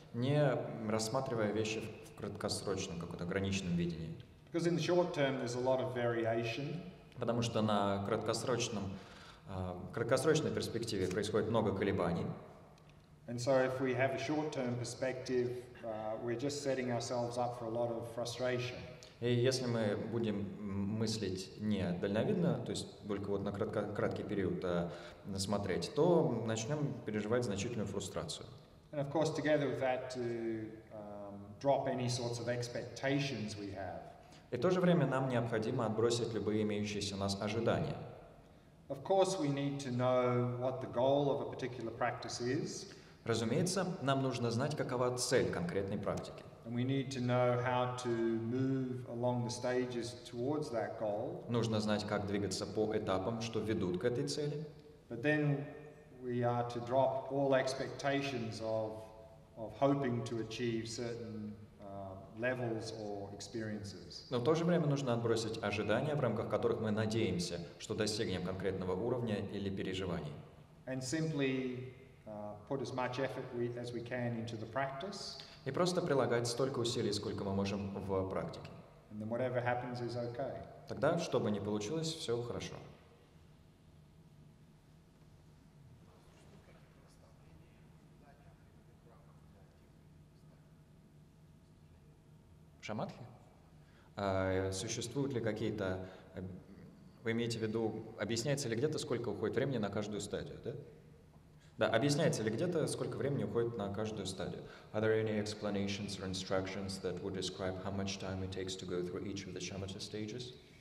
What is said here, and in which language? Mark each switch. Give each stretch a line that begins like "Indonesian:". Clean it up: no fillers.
Russian: Не рассматривая вещи в краткосрочном, каком-то ограниченном видении.
English: Because in the short term there's a lot of variation.
Russian: Потому что на краткосрочной перспективе происходит много колебаний.
English: And so if we have a short-term perspective, we're just setting ourselves up for a lot of frustration.
Russian: И если мы будем мыслить не дальновидно, то есть только вот на краткий период смотреть, то начнем переживать значительную фрустрацию.
English: And of course, together with that, to drop any sorts of expectations we have.
Russian: И в то же время нам необходимо отбросить любые имеющиеся у нас ожидания.
English: Of course, we need to know what the goal of a particular practice is.
Russian: Разумеется, нам нужно знать, какова цель конкретной практики.
English: And we need to know how to move along the stages towards that goal.
Russian: Нужно знать, как двигаться по этапам, что ведут к этой цели.
English: But then we are to drop all expectations of hoping to achieve certain levels or experiences.
Russian: Но в то же время нужно отбросить ожидания, в рамках которых мы надеемся, что достигнем конкретного уровня или переживаний.
English: And simply put as much effort as we can into the practice.
Russian: И просто прилагать столько усилий, сколько мы можем в практике.
English: And then whatever happens is okay.
Russian: Тогда, что бы ни получилось, все хорошо. Шамадхи? Существуют ли какие-то... Вы имеете в виду, объясняется ли где-то, сколько уходит времени на каждую стадию, да? Да, объясняется ли где-то, сколько времени уходит на каждую стадию?
English: Are there any explanations or instructions that would describe how much time it takes to go through each of the shamatha stages?